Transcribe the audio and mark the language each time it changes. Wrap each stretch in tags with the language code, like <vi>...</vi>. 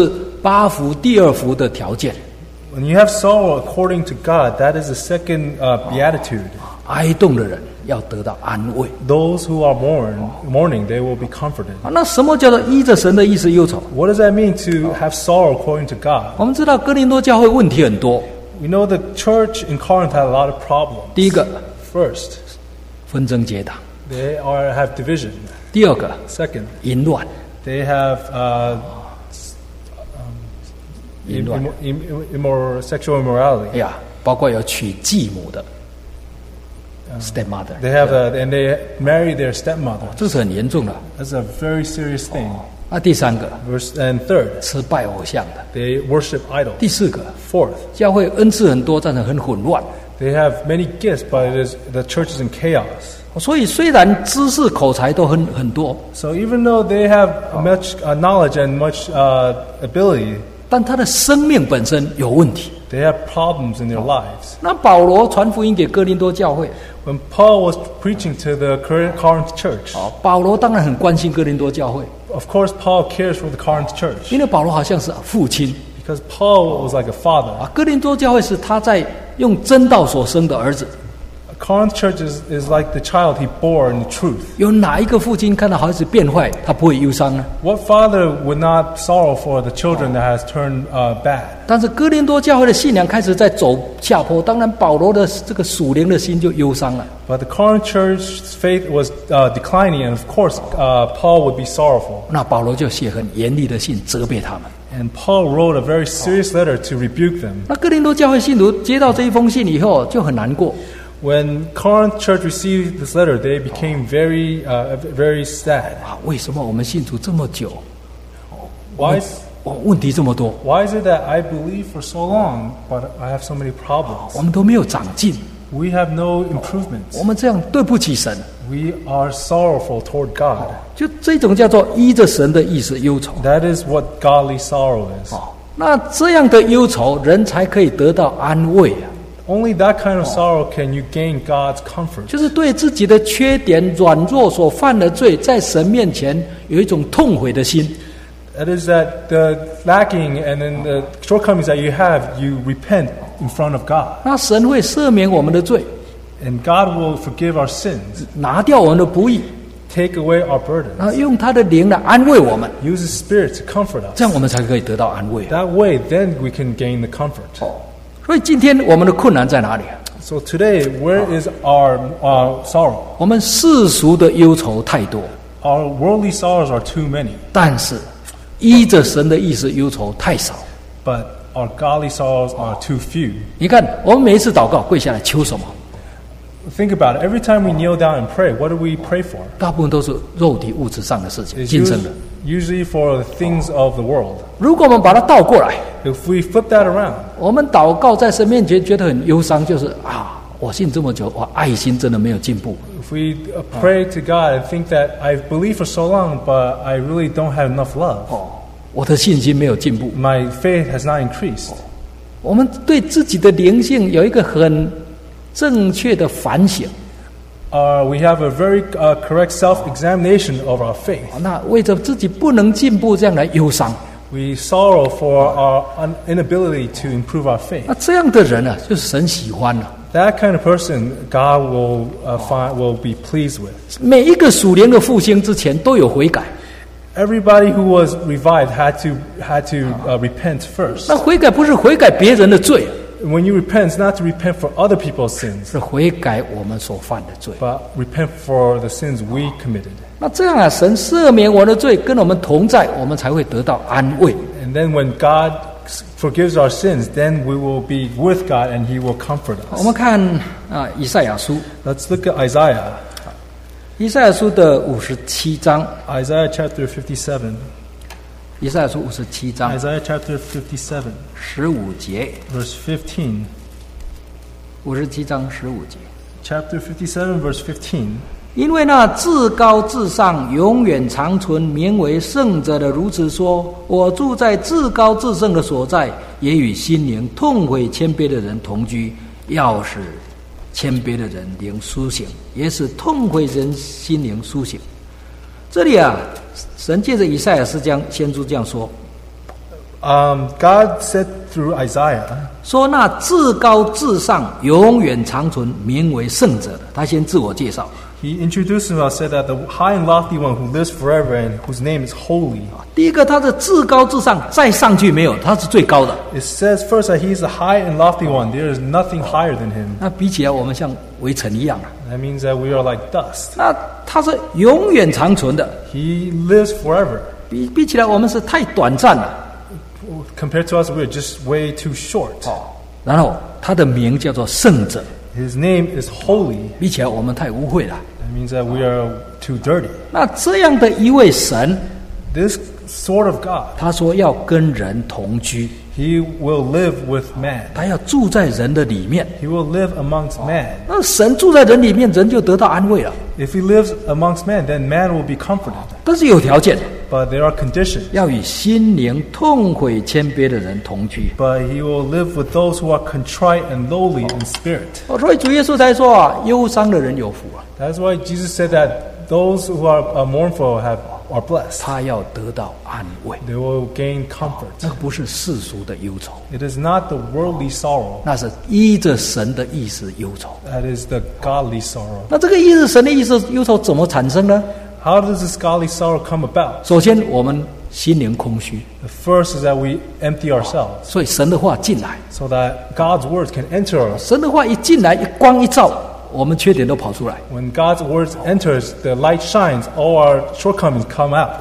<zh>那这个依着神的意思忧愁就是八福第二福的条件</zh> <en>When you have sorrow according to God that is the second beatitude</en> <zh>哀动的人要得到安慰</zh> <en>Those who are mourning they will be comforted</en> <zh>那什么叫做依着神的意思忧愁</zh> <en>What does that mean to have sorrow according to God</en> <zh>我们知道哥林多教会问题很多</zh> <en>We know the church in Corinth had a lot of problems.</en> <zh>第一个,</zh> <en>First,</en> <zh>纷争结党,</zh> <en>they are, have division.</en> <zh>第二个,</zh> <en>Second,</en> <zh>淫乱,</zh> <en>they have sexual immorality.</en> <zh>Yeah, 包括有娶继母的, stepmother.</zh> <en>They have and they marry their stepmother.</en> <zh>这是很严重的,</zh> <en>that's a very serious thing.</en> <zh>那第三个,</zh> <en>Verse, and third,</en> <zh>吃拜偶像的,</zh> <en>they worship idols.</en> <zh>第四个,</zh> <en>Fourth,</en> <zh>教会恩赐很多, 但是很混乱,</zh> <en>they have many gifts, but it is, the church is in chaos.</en> <zh>所以虽然知识口才都很多,</zh> <en>so even though they have much knowledge and much ability,</en> <zh>但他的生命本身有问题,</zh> <en>they have problems in their lives.</en> <zh>那保罗传福音给哥林多教会,</zh> <en>when Paul was preaching to the Corinth church,</en> <zh>保罗当然很关心哥林多教会,</zh> <en>Of course, Paul cares for the Corinth church.</en> <zh>因为保罗好像是父亲,</zh> <en>Because Paul was like a father.</en> <zh>啊，哥林多教会是他在用真道所生的儿子。</zh> <en>Corinth church is like the child he bore in the truth.</en> <zh>有哪一个父亲看到孩子变坏，他不会忧伤呢？</zh> <en>What father would not sorrow for the children that has turned bad?</en> <zh>但是哥林多教会的信仰开始在走下坡，当然保罗的这个属灵的心就忧伤了。</zh> <en>But the Corinth church's faith was declining, and of course, Paul would be sorrowful.</en> <zh>那保罗就写很严厉的信责备他们。</zh> <en>And Paul wrote a very serious letter to rebuke them.</en> <zh>那哥林多教会信徒接到这一封信以后就很难过。</zh> <en>When Corinth Church received this letter, they became very, very sad.</en> <zh>啊，为什么我们信主这么久？</zh> <en>Why is</en> <zh>问题这么多？</zh> <en>Why is it that I believe for so long, but I have so many problems?</en> <zh>我们都没有长进。</zh> <en>We have no improvements.</en> <zh>我们这样对不起神。</zh> <en>We are sorrowful toward God.</en> <zh>就这种叫做依着神的意思忧愁。</zh> <en>That is what godly sorrow is.</en> <zh>那这样的忧愁，人才可以得到安慰啊。</zh> <en>Only that kind of sorrow can you gain God's comfort.</en> <zh>就是对自己的缺点、软弱所犯的罪，在神面前有一种痛悔的心。</zh> <en>That is that the lacking and then the shortcomings that you have, you repent in front of God.</en> <zh>那神会赦免我们的罪。</zh> <en>And God will forgive our sins.</en> <zh>拿掉我们的不义。</zh> <en>Take away our burdens.</en> <zh>然后用他的灵来安慰我们。</zh> <en>Use His Spirit to comfort us.</en> <zh>这样我们才可以得到安慰。</zh> <en>That way, then we can gain the comfort.</en> <zh>所以今天我们的困难在哪里？</zh> <en>So today, where is our sorrow?</en> <zh>我们世俗的忧愁太多。</zh> <en>Our worldly sorrows are too many.</en> <zh>但是依着神的意思忧愁太少。</zh> <en>But our godly sorrows are too few.</en> <zh>你看，我们每一次祷告跪下来求什么？</zh> <en>Think about it. Every time we kneel down and pray, what do we pray for?</en> <zh>大部分都是肉体物质上的事情，今生的。</zh> <en>Usually for the things of the world.</en> <zh>如果我们把它倒过来，</zh> <en>If we flip that around,</en> <zh>我们祷告在神面前觉得很忧伤，就是啊，我信这么久，我爱心真的没有进步。</zh> <en>If we pray to God and think that I've believed for so long, but I really don't have enough love.</en> <zh>我的信心没有进步。</zh> <en>My faith has not increased.</en> <zh>我们对自己的灵性有一个很正确的反省。</zh> <en>We have a very correct self-examination of our faith.</en> <zh>那为着自己不能进步这样来忧伤。</zh> <en>We sorrow for our inability to improve our faith.</en> <zh>那这样的人呢，就是神喜欢了。</zh> <en>That kind of person God will find will be pleased with.</en> <zh>每一个属灵的复兴之前都有悔改。</zh> <en>Everybody who was revived had to repent first.</en> <zh>那悔改不是悔改别人的罪。</zh> <en>When you repent, it's not to repent for other people's sins.</en> <zh>是悔改我们所犯的罪。</zh> <en>But repent for the sins we committed.</en> <zh>那这样啊，神赦免我的罪，跟我们同在，我们才会得到安慰。</zh> <en>And then when God forgives our sins, then we will be with God and He will comfort us.</en> <zh>我们看以赛亚书。</zh> <en>Let's look at Isaiah.</en> <zh>以赛亚书的五十七章。</zh> <en>Isaiah chapter 57.</en> <zh>以赛亚书五十七章</zh> <en>Isaiah chapter 57</en> <zh>15节</zh> <en>Verse 15</en> <zh>五十七章十五节</zh> <en>Chapter 57 verse 15</en> <zh>因为那至高至上永远长存名为圣者的如此说我住在至高至圣的所在也与心灵痛悔谦卑的人同居要使谦卑的人灵苏醒也使痛悔人心灵苏醒这里啊神借着以赛亚是这样先知这样说</zh> <en>God said through Isaiah</en> <zh>说那至高至上永远长存名为圣者的他先自我介绍</zh> <en>He introduced himself said that the high and lofty one who lives forever and whose name is holy</en> <zh>第一个他是至高至上再上去没有他是最高的</zh> <en>It says first that he is the high and lofty one there is nothing higher than him</en> <zh>那比起来我们像微尘一样</zh> <en>That means that we are like dust</en> <zh>那他是永远长存的</zh> <en>He lives forever</en> <zh>比起来我们是太短暂了</zh> <en>Compared to us we are just way too short</en> <zh>然后他的名叫做圣者</zh> <en>His name is holy</en> <zh>比起来我们太污秽了</zh> <en>That means that we are too dirty</en> <zh>那这样的一位神</zh> <en>This sort of God</en> <zh>他说要跟人同居</zh> <en>He will live with man</en> <zh>他要住在人的里面</zh> <en>He will live amongst man</en> <zh>那神住在人里面人就得到安慰了</zh> <en>If he lives amongst men, then man will be comforted.</en> <zh>但是有条件。</zh> <en>But there are conditions.</en> <zh>要与心灵痛悔谦卑的人同居。</zh> <en>But he will live with those who are contrite and lowly in spirit.</en> <zh>所以主耶稣才说忧伤的人有福啊。</zh> <en>That's why Jesus said that those who are mournful have are blessed.</en> <zh>他要得到安慰,</zh> <en>they will gain comfort.</en> <zh>那不是世俗的忧愁,</zh> <en>it is not the worldly sorrow.</en> <zh>那是依着神的意思忧愁,</zh> <en>that is the godly sorrow.</en> <zh>那这个依着神的意思忧愁怎么产生呢?</zh> <en>How does this godly sorrow come about?</en> <zh>首先我们心灵空虚,</zh> <en>the first is that we empty ourselves.</en> <zh>所以神的话进来,</zh> <en>so that God's words can enter us.</en> <zh>神的话一进来, 光一照,</zh> <en>when God's words enters, the light shines, all our shortcomings come out.</en>